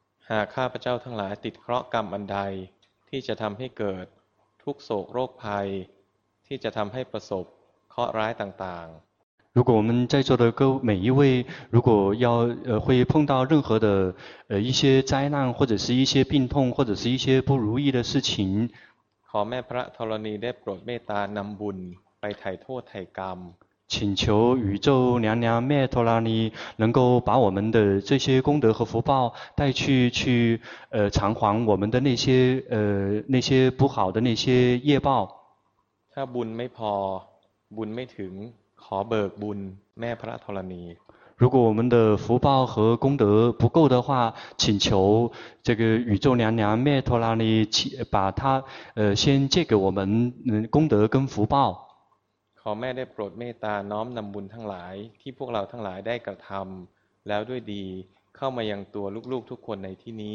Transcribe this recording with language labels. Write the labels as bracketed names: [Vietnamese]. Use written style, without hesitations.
[Thai] หากข้าพเจ้าทั้งหลายติดเคราะห์กรรมอันใดที่จะทำให้เกิดทุกโศกโรคภัยที่จะทำให้ประสบเคราะห์ร้ายต่างๆ [Chinese] 如果我们在座的各每一位如果要会碰到任何的一些灾难或者是一些病痛或者是一些不如意的事情 [Thai] ขอแม่พระธรณีได้โปรดเมตตานำบุญไปไถ่โทษไถ่กรรม [Chinese] 请求宇宙娘娘แม่ธรณี能够把我们的这些功德和福报带去偿还我们的那些不好的那些业报 [Thai] ถ้าบุญไม่พอบุญไม่ถึงขอเบิกบุญแม่พระธรณี [Chinese] 如果我们的福报和功德不够的话请求这个宇宙娘娘แม่ธรณี把她先借给我们功德跟福报 [Thai] ขอแม่ได้โปรดเมตตาน้อมนำบุญทั้งหลายที่พวกเราทั้งหลายได้กระทำแล้วด้วยดีเข้ามายังตัวลูกๆทุกคนในที่นี